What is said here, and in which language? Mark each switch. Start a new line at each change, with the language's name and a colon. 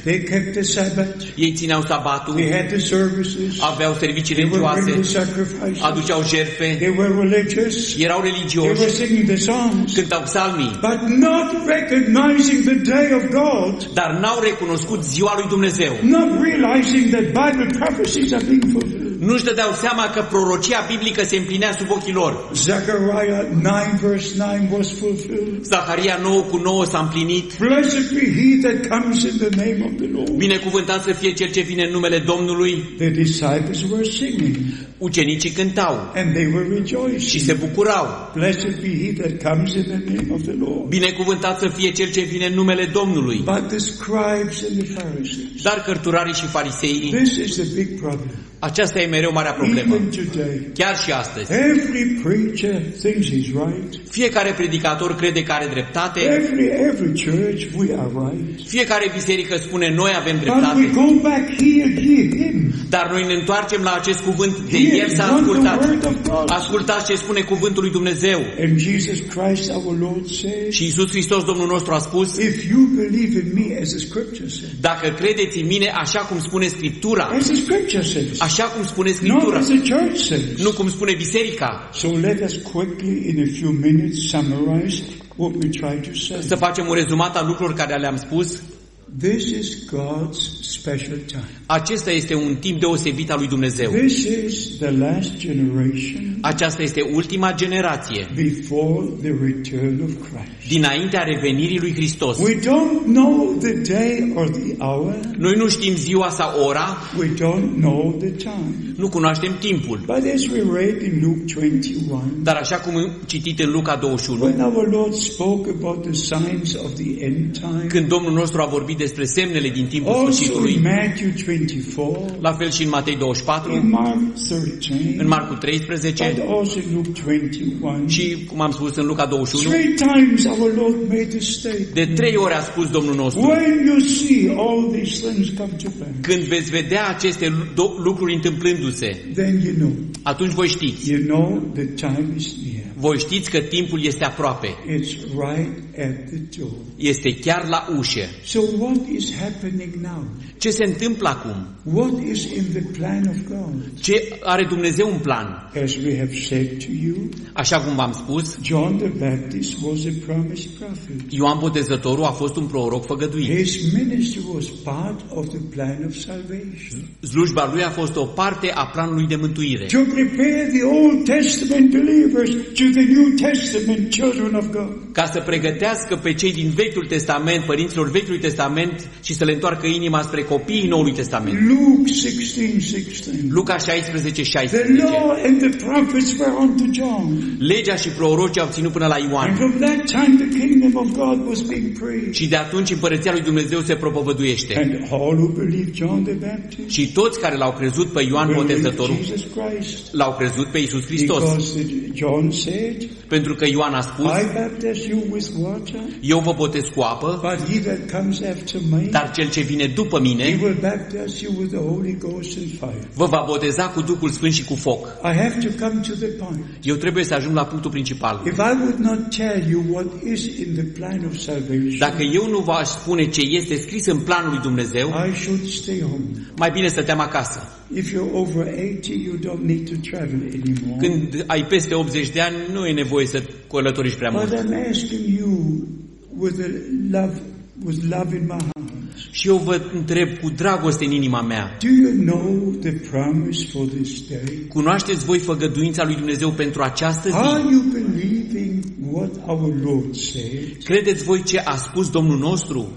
English: They kept the Sabbath.
Romanian: Ei țineau sabatul.
English: They had the services.
Romanian: Aveau servicii religioase. Aduceau jerfe.
English: They were religious.
Romanian: Erau religioși.
English: They were singing the songs.
Romanian: Cântau psalmii.
English: But not recognizing the day of God.
Romanian: Dar n-au recunoscut ziua lui Dumnezeu.
English: Not realizing that Bible prophecies are being fulfilled.
Romanian: Nu-și dădeau seama că prorocia biblică se împlinea sub ochii lor.
English: Zechariah 9 verse 9 was fulfilled.
Romanian: Zaharia 9:9 s-a împlinit.
English: Blessed be he that comes in the name of the Lord.
Romanian: Binecuvântat să fie cel ce vine în numele Domnului.
English: The disciples were singing.
Romanian: Ucenicii cântau.
English: And they were rejoicing.
Romanian: Și se bucurau.
English: Blessed be he that comes in the name of the Lord.
Romanian: Binecuvântat să fie cel ce vine în numele Domnului.
English: But the scribes and the Pharisees.
Romanian: Dar cărturarii și fariseii.
English: This is the big problem.
Romanian: Aceasta e mereu marea problemă. Chiar și astăzi.
English: Every preacher thinks he's right.
Romanian: Fiecare predicator crede că are dreptate.
English: Every church we are right.
Romanian: Fiecare biserică spune noi avem dreptate.
English: But we go back here, hear him.
Romanian: Dar noi ne întoarcem la acest cuvânt de ieri s-a ascultat. Ascultați ce spune cuvântul lui Dumnezeu.
English: And Jesus Christ, our Lord, said,
Romanian: și Iisus Hristos Domnul nostru a spus,
English: if you believe in me, as the scripture says,
Romanian: dacă credeți în mine așa cum spune Scriptura,
English: as the scripture says,
Romanian: așa cum spune Scriptura,
English: not as the church says,
Romanian: nu cum spune Biserica.
English: So let us quickly, in a few minutes, summarize what we try to say.
Romanian: Să facem un rezumat al lucrurilor care le-am spus.
English: This is God's special time.
Romanian: Acesta este un timp deosebit al lui Dumnezeu.
English: This is the last generation.
Romanian: Aceasta este ultima generație.
English: Before the return of Christ.
Romanian: Dinaintea revenirii lui Hristos.
English: We don't know the day or the hour.
Romanian: Noi nu știm ziua sau ora.
English: We don't know the time.
Romanian: Nu cunoaștem timpul.
English: But as we read in Luke 21.
Romanian: Dar așa cum citit în Luca 21.
English: When our Lord spoke about the signs of the end time.
Romanian: Când Domnul nostru a vorbit despre semnele din timpul sfârșitului.
English: Matthew 24.
Romanian: La fel și în Matei 24.
English: In Mark 13.
Romanian: În Marcu 13.
English: But also Luke 21.
Romanian: Și cum am spus în Luca 21.
English: Three times our Lord made a statement.
Romanian: De trei ori a spus Domnul nostru.
English: When you see all these things come to pass.
Romanian: Când veți vedea aceste lucruri întâmplându-se.
English: Then you know.
Romanian: Atunci voi știți.
English: You know the time is near.
Romanian: Voi știți că timpul este aproape.
English: It's right at the door.
Romanian: Este chiar la ușă.
English: So what is happening now?
Romanian: Ce se întâmplă acum?
English: What is in the plan of God?
Romanian: Ce are Dumnezeu un plan?
English: As we have said to you.
Romanian: Așa cum v-am spus.
English: John the Baptist was a promised prophet.
Romanian: Ioan Botezătorul a fost un proroc făgăduit.
English: His ministry was part of the plan of salvation.
Romanian: Slujba lui a fost o parte a planului de mântuire.
English: To prepare the Old Testament believers to the New Testament children of God.
Romanian: Ca să pregătească pe cei din Vechiul Testament, părinților Vechiului Testament și să le întoarcă inima spre copiii Noului Testament.
English: Luke 16:16.
Romanian: Luca 16:16.
English: The law and the prophets were unto John.
Romanian: Legea și prorocii au ținut până la Ioan.
English: And from that time the kingdom of God was being preached.
Romanian: Și de atunci împărăția lui Dumnezeu se propovăduiește.
English: And all who believed John the Baptist.
Romanian: Și toți care l-au crezut pe Ioan Botezătorul. L-au crezut pe Iisus Hristos.
English: John said,
Romanian: pentru că Ioan a spus,
English: I baptize you with water.
Romanian: Eu vă botez cu apă.
English: But he that comes after me.
Romanian: Dar cel ce vine după mine.
English: He will baptize you with the Holy Ghost and fire.
Romanian: Vă va boteza cu Duhul Sfânt și cu foc.
English: I have to come to the point.
Romanian: Eu trebuie să ajung la punctul principal.
English: If I would not tell you what is in the plan of salvation.
Romanian: Dacă eu nu v-aș spune ce este scris în planul lui Dumnezeu.
English: I should stay home.
Romanian: Mai bine stăteam acasă.
English: If you're over 80, you don't need to travel anymore.
Romanian: Când ai peste 80 de ani, nu e nevoie să călătorești prea mult.
English: But I'm asking you with a love, with love in my heart.
Romanian: Și eu vă întreb cu dragoste în inima mea.
English: Do you know the promise for this day?
Romanian: Cunoașteți voi făgăduința lui Dumnezeu pentru această zi?
English: Are you believing what our Lord said?
Romanian: Credeți voi ce a spus Domnul nostru?